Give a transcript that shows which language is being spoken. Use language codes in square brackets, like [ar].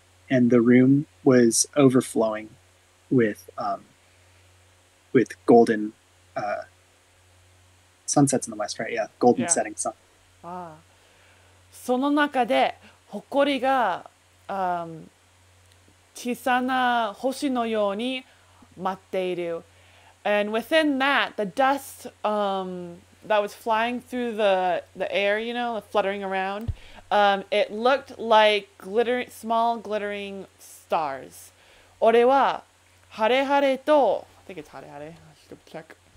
[en] And the room was overflowing with golden sunsets in the west, right? Yeah, golden setting sun. Ah. [ja] その中で埃が小さな星のように舞っている. [en] And within that, the dust that was flying through the air, you know, fluttering around, it looked like small glittering stars. [ja] 俺は [en] Hare-hare-to, I think it's hare-hare, I should check.